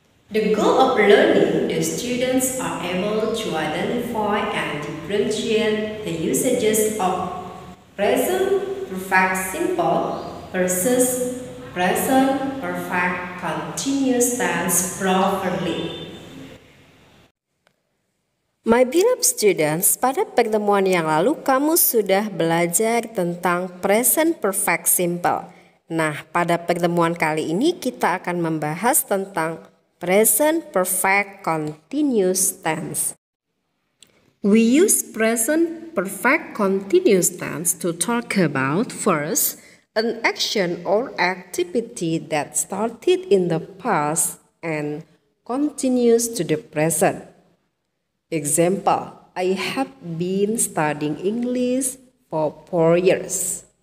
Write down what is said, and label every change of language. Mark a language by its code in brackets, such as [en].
[en] The goal of learning, the students are able to identify and differentiate the usages of present perfect simple versus present perfect continuous tense properly. My beloved students, [id] pada pertemuan yang lalu kamu sudah belajar tentang present perfect simple. Nah, pada pertemuan kali ini kita akan membahas tentang present perfect continuous tense. [en] We use present perfect continuous tense to talk about first an action or activity that started in the past and continues to the present. Example, I have been studying English for 4 years.